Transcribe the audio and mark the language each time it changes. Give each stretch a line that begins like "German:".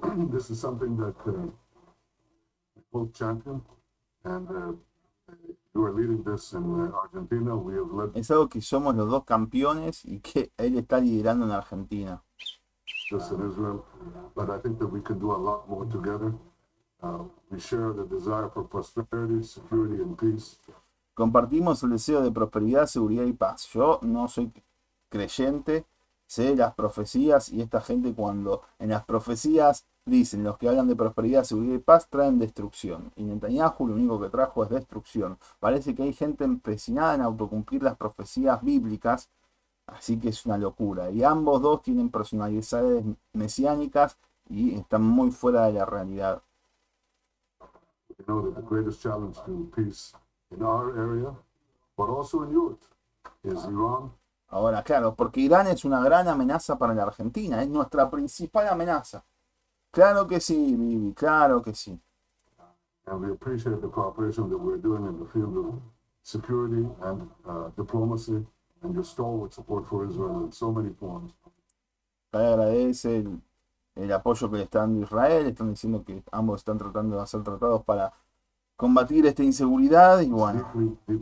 English: This is something that both champion and you are leading this in Argentina. We have led
Spanish: Es algo que somos los dos campeones y que él está liderando en Argentina.
English: this in Israel, but I think that we can do a lot more together. We share the desire for prosperity, security, and peace.
Spanish: Compartimos el deseo de prosperidad, seguridad y paz. Yo no soy creyente, sé las profecías y esta gente cuando en las profecías dicen los que hablan de prosperidad, seguridad y paz traen destrucción. Y Netanyahu lo único que trajo es destrucción. Parece que hay gente empecinada en autocumplir las profecías bíblicas, así que es una locura. Y ambos dos tienen personalidades mesiánicas y están muy fuera de la realidad.
English: You know that the greatest challenge to peace in our area, but also in Europe, is Iran.
Spanish: Ahora, claro, porque Irán es una gran amenaza para la Argentina, es nuestra principal amenaza. Claro que sí, Vivi, claro que sí.
English: And we appreciate the cooperation that we're doing in the field of security and diplomacy, and your stalwart support for Israel in so many forms.
Spanish: agradece el apoyo que le está dando Israel, están diciendo que ambos están tratando de hacer tratados para combatir esta inseguridad y bueno.